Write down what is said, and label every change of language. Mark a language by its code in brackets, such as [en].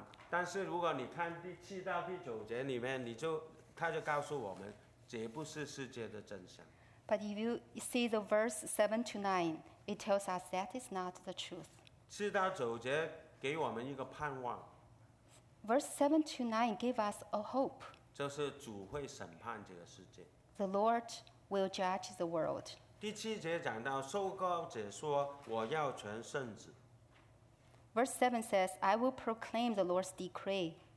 [zh] 但是如果你看第七到第九节里面，你就他就告诉我们，这不是世界的真相。 [en] But if you see the verse 7-9, it tells us that is not the truth. [zh] 七到九节给我们一个盼望。 [en] Verse 7-9 give us a hope. [zh] 就是主会审判这个世界。 [en] The Lord will judge the world. [zh] 第七节讲到受膏者说，我要全圣子。 [en] Verse 7 says, I will proclaim the Lord's decree.